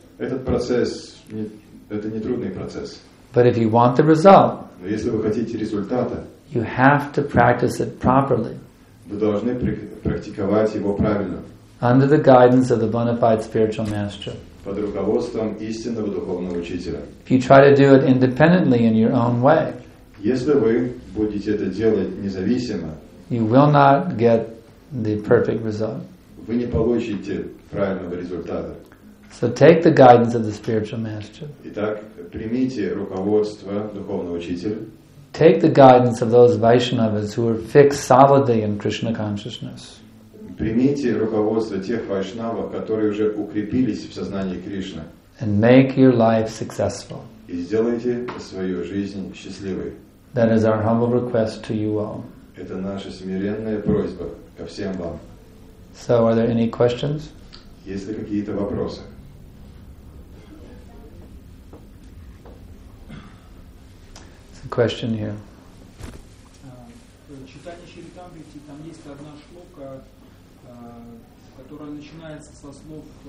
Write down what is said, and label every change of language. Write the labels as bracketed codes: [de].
[ru] Этот процесс это не трудный процесс. [en] But if you want the result, [ru] но если вы хотите результата, [en] you have to practice it properly. [ru] Вы должны практиковать его правильно. [en] Under the guidance of the bona fide spiritual master. [ru] Под руководством истинного духовного учителя. [en] If you try to do it independently in your own way, [ru] если вы будете это делать независимо, [en] you will not get the perfect result. [ru] Вы не получите правильного результата. [en] So take the guidance of the spiritual master. [ru] Итак, примите руководство духовного учителя. [en] Take the guidance of those Vaishnavas who are fixed solidly in Krishna consciousness. [ru] Примите руководство тех вайшнавов, которые уже укрепились в сознании Кришны. [en] And make your life successful. [ru] И сделайте свою жизнь счастливой. [en] That is our humble request to you all. [ru] Это наша смиренная просьба ко всем вам. [en] So, are there any questions? [ru] Есть ли какие-то вопросы? [en] There's a question here. [ru] Читание Чаритамриты, там есть одна шлока, которая начинается со слов